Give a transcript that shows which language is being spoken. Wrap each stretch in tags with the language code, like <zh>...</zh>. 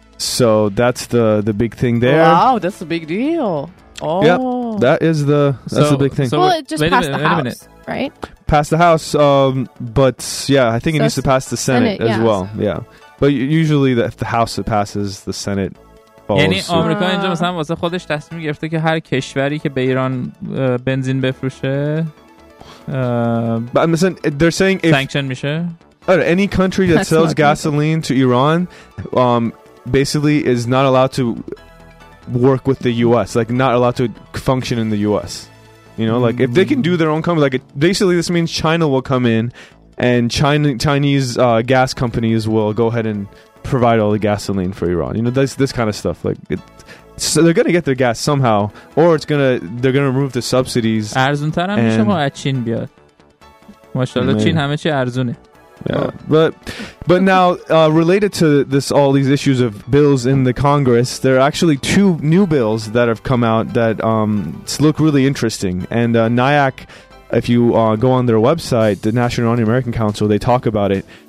<en>So, that's the big thing there. Wow, that's a big deal. Oh. Yep, that is that's the big thing. So, well, it just passed the House. Wait a minute. Right, pass the House, but yeah, I think it needs to pass the Senate as well. Yeah, but usually if the House it passes, the Senate falls.</en> <fa>یعنی آمریکا اینجا مثلا واسه خودش تصمیم گرفته که هر کشوری که به ایران بنزین بفروشه</fa> <en>but listen, they're saying if</en> <fa>sanction میشه.</fa> <en>Any country that sells gasoline to Iran basically is not allowed to work with the US, like not allowed to function in the US. You know, like if they can do their own company, like basically this means China will come in and Chinese gas companies will go ahead and provide all the gasoline for Iran. You know, this kind of stuff. Like, so they're going to get their gas somehow, or they're going to remove the subsidies.</en> <fa>ارزون‌تر هم میشه ما از چین بیاد. ماشاءالله چین همه چی ارزونه.</fa> <en>Yeah, but now related to this, all these issues of bills in the Congress, there are actually two new bills that have come out that look really interesting. And NIAC, if you go on their website, the National Iranian American Council, they talk about it.</en>